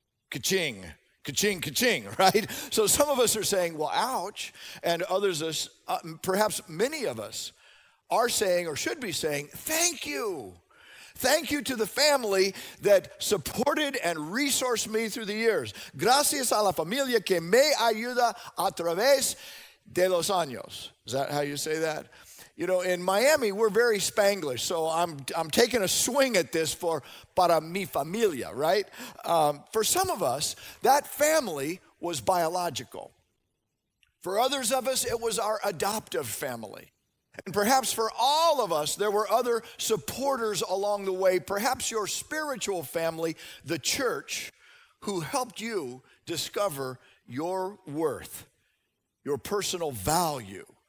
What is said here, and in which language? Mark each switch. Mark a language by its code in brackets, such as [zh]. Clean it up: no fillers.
[en] Ka-ching, ka-ching, ka-ching, right? So some of us are saying, well, ouch, and others, perhaps many of us are saying or should be saying, thank you. Thank you to the family that supported and resourced me through the years. [es] Gracias a la familia que me ayuda a través de los años. [en] Is that how you say that? You know, in Miami, we're very Spanglish, so I'm taking a swing at this for [es] para mi familia, [en] right? For some of us, that family was biological. For others of us, it was our adoptive family. And perhaps for all of us, there were other supporters along the way, perhaps your spiritual family, the church, who helped you discover your worth, your personal value.